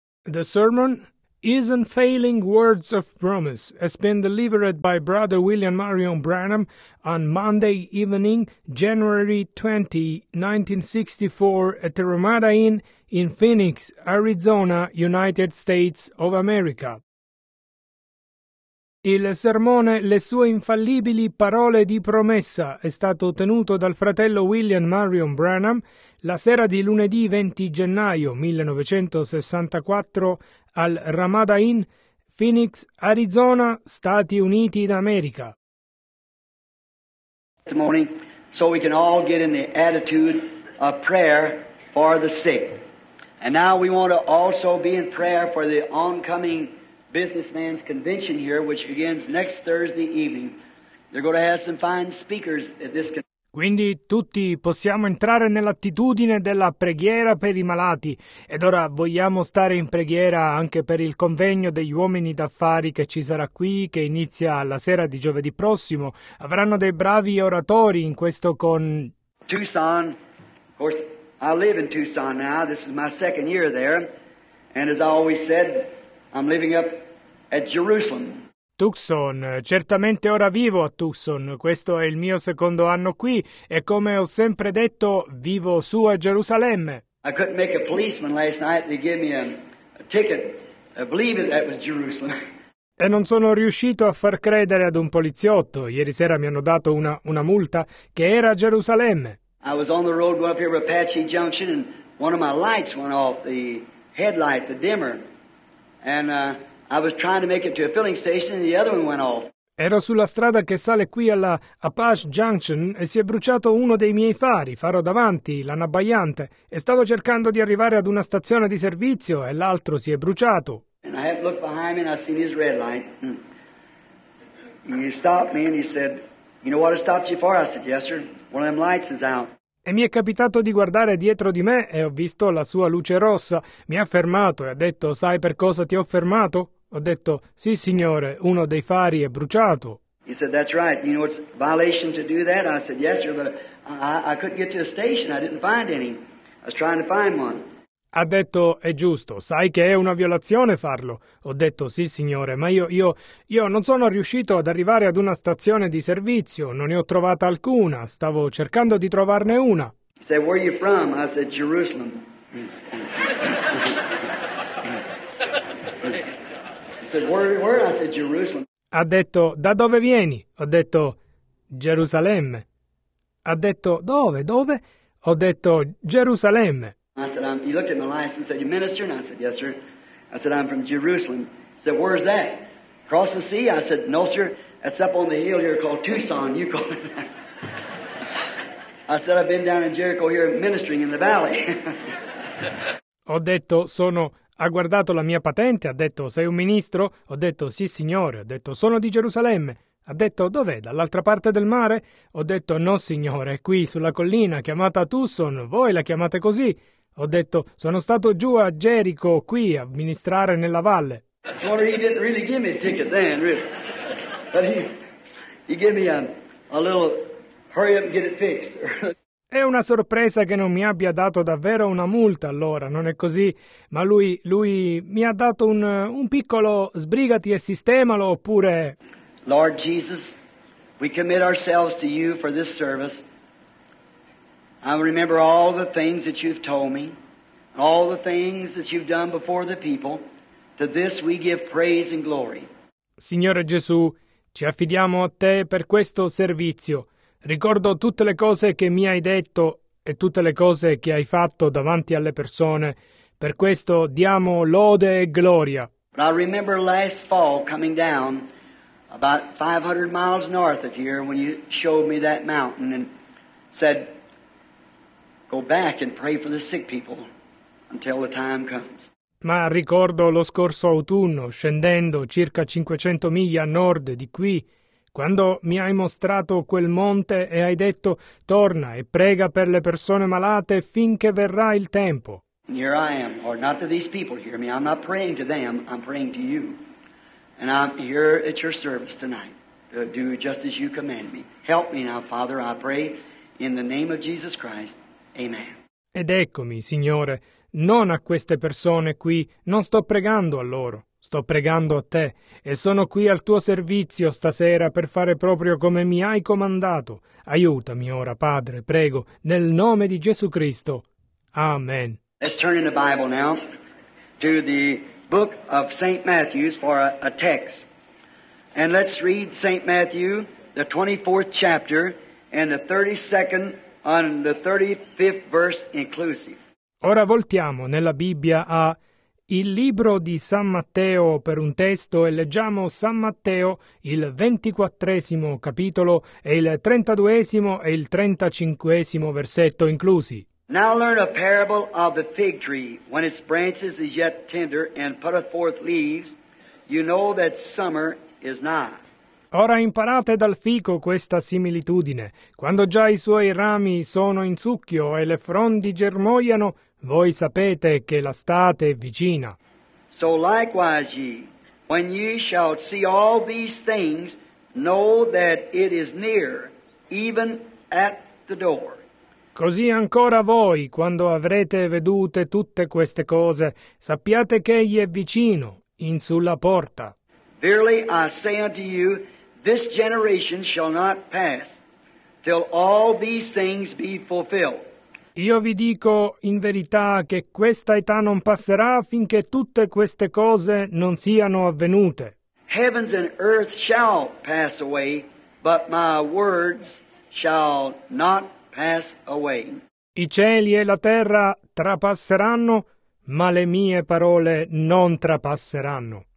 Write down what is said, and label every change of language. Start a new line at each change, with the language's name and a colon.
English: The sermon is Unfailing Words of Promise, has been delivered by Brother William Marion Branham on Monday evening, January 20, 1964, at the Ramada Inn in Phoenix, Arizona, United States of America.
Italian: Il sermone Le sue infallibili parole di promessa è stato tenuto dal fratello William Marion Branham la sera di lunedì 20 gennaio 1964 al Ramada Inn, Phoenix, Arizona, Stati Uniti d'America.
English: Morning, so we can all get in the attitude of prayer for the sick. And now we want to also be in prayer for the oncoming businessman's convention here, which begins next Thursday evening. They're going to have some fine speakers at this convention.
Italian: Quindi tutti possiamo entrare nell'attitudine della preghiera per i malati, ed ora vogliamo stare in preghiera anche per il convegno degli uomini d'affari che ci sarà qui, che inizia la sera di giovedì prossimo. Avranno dei bravi oratori in questo con
English: Tucson. Of course, I live in Tucson now. This is my second year there, and as I always said, I'm living up at Jerusalem.
Italian: Tucson, certamente ora vivo a Tucson, questo è il mio secondo anno qui e come ho sempre detto vivo su a Gerusalemme.
English: I couldn't make a policeman last night, they gave me a ticket, I believe that was Jerusalem.
Italian: E non sono riuscito a far credere ad un poliziotto, ieri sera mi hanno dato una multa che era a Gerusalemme.
English: I was on the road going up here to Apache Junction and one of my lights went off, the headlight, the dimmer, and I was trying to make it to a filling station and the other one went off.
Italian: Ero sulla strada che sale qui alla Apache Junction e si è bruciato uno dei miei fari, faro davanti, l'annabbiante, e stavo cercando di arrivare ad una stazione di servizio e l'altro si è bruciato.
English: And I had looked behind me and I seen his red light. And he stopped me and he said, "You know what I stopped you for?" I said, "Yes, sir. One of them lights is out."
Italian: E mi è capitato di guardare dietro di me e ho visto la sua luce rossa. Mi ha fermato e ha detto, "Sai per cosa ti ho fermato?" Ho detto, "Sì, signore, uno dei fari è bruciato."
English: He said, "That's right. You know, it's a violation to do that." I said, "Yes, sir, but I couldn't get to a station. I didn't find any. I was trying to find one."
Italian: Ha detto, "È giusto. Sai che è una violazione farlo." Ho detto, "Sì, signore, ma io non sono riuscito ad arrivare ad una stazione di servizio. Non ne ho trovata alcuna. Stavo cercando di trovarne una."
English: He said, "Where are you from?" I said, "Jerusalem." He said, "Where?" I said, "Jerusalem."
Italian: Ha detto, "Da dove vieni?" Ho detto, "Gerusalemme." Ha detto, "Dove? Dove?" Ho detto, "Gerusalemme."
English: I said, "He looked at my license and said, 'You minister?'" And I said, "Yes, sir." I said, "I'm from Jerusalem." He said, "Where's that?" "Across the sea?" I said, "No, sir. That's up on the hill here called Tucson. You call it that." I said, "I've been down in Jericho here ministering in the valley."
Italian: Ho detto, "Sono..." Ha guardato la mia patente, ha detto, "Sei un ministro?" Ho detto, "Sì, signore." Ha detto, "Sono di Gerusalemme." Ha detto, "Dov'è? Dall'altra parte del mare?" Ho detto, "No, signore, è qui sulla collina, chiamata Tucson, voi la chiamate così." Ho detto, "Sono stato giù a Gerico, qui, a ministrare nella valle."
English: He didn't really give me a ticket then, really. But he gave me a little hurry up and get it fixed.
Italian: È una sorpresa che non mi abbia dato davvero una multa allora, non è così? Ma lui mi ha dato un piccolo sbrigati e sistemalo, oppure...
English: Lord Jesus, we commit ourselves to you for this service. I remember all the things that you've told me, all the things that you've done before the people. To this we give praise and glory.
Italian: Signore Gesù, ci affidiamo a te per questo servizio. Ricordo tutte le cose che mi hai detto e tutte le cose che hai fatto davanti alle persone. Per questo diamo lode e gloria.
English: But I remember last fall coming down about 500 miles north of here when you showed me that mountain and said, "Go back and pray for the sick people until the time comes."
Italian: Ma ricordo lo scorso autunno, scendendo circa 500 miglia a nord di qui, quando mi hai mostrato quel monte e hai detto, "Torna e prega per le persone malate finché verrà il tempo."
English: And here I am, or not to these people, hear me. I'm not praying to them, I'm praying to you. And I'm here at your service tonight to do just as you command me. Help me now, Father, I pray in the name of Jesus Christ. Amen.
Italian: Ed eccomi, Signore, non a queste persone qui, non sto pregando a loro, sto pregando a te, e sono qui al tuo servizio stasera per fare proprio come mi hai comandato. Aiutami ora, Padre, prego, nel nome di Gesù Cristo. Amen.
English: Let's turn in the Bible now to the book of St. Matthew's for a text. And let's read St. Matthew, the 24th chapter, and the 32nd on the 35th verse inclusive.
Italian: Ora voltiamo nella Bibbia a il libro di San Matteo per un testo e leggiamo San Matteo, il 24esimo capitolo, e il 32esimo e il 35esimo versetto inclusi.
English: Now learn a parable of the fig tree. When its branches is yet tender and putteth forth leaves, you know that summer is nigh.
Italian: Ora imparate dal fico questa similitudine. Quando già i suoi rami sono in succhio e le frondi germogliano, voi sapete che l'estate è vicina.
English: So likewise ye, when ye shall see all these things, know that it is near, even at the door.
Italian: Così ancora voi, quando avrete vedute tutte queste cose, sappiate che egli è vicino, in sulla porta.
English: Verily I say unto you, this generation shall not pass till all these things be fulfilled.
Italian: Io vi dico in verità che questa età non passerà finché tutte queste cose non siano avvenute.
English: Heavens and earth shall pass away, but my words shall not pass away.
Italian: I cieli e la terra trapasseranno, ma le mie parole non trapasseranno.